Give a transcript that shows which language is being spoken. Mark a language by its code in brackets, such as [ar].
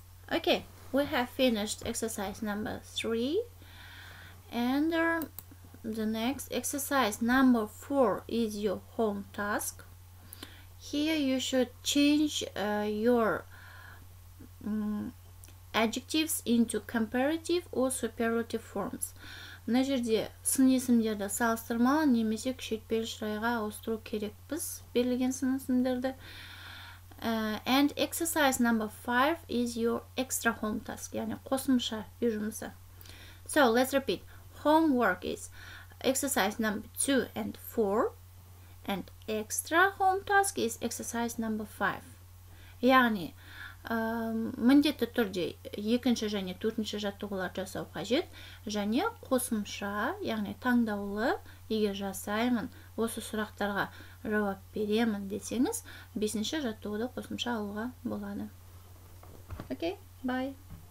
[en] Okay, we have finished exercise number three, and the next exercise number four is your home task. Here you should change your adjectives into comparative or superlative forms. [kk] Мына жерде сын есімдерді салыстырмалы немесе күшейтпелі жайға ауыстыру керекпіз берілген сын есімдерді. [en] And exercise number five is your extra home task, [kk] яғни қосымша үй жұмысы. [en] So let's repeat. Homework is exercise number 2 and 4, and extra home task is exercise number 5. [kk] Яғни, міндетті түрде екінші және төртінші жаттығулар жасау қажет, және қосымша, яғни таңдаулы, егер жасаймын, осы сұрақтарға жауап беремін десеңіз, бесінші жаттығуды қосымша алуға болады. [en] Okay, bye!